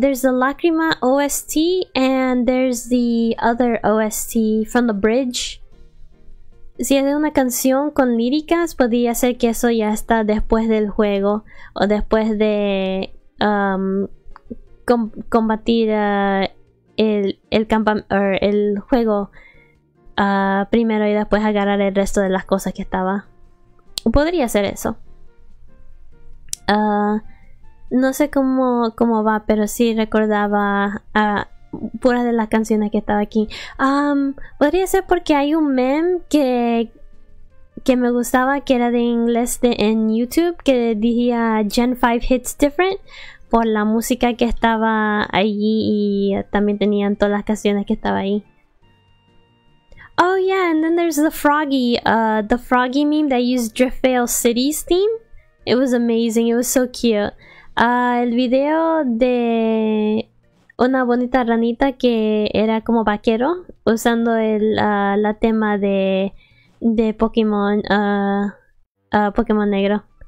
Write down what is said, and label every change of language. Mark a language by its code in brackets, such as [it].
[en] There's the Lacrima OST and there's the other OST from the bridge. [es] Si es de una canción con líricas, podría ser que eso ya está después del juego o después de combatir el juego primero y después agarrar el resto de las cosas que estaba. Podría ser eso. No sé cómo va, pero sí recordaba a pura de las canciones que estaba aquí. Podría ser porque hay un meme que me gustaba, que era de inglés en YouTube, que decía Gen 5 Hits Different por la música que estaba allí, y también tenían todas las canciones que estaba ahí. [en] Oh yeah, and then there's the froggy meme that used Driftvale City's theme. It was amazing, it was so cute. [es] El video de una bonita ranita que era como vaquero usando la tema de Pokémon, Pokémon Negro.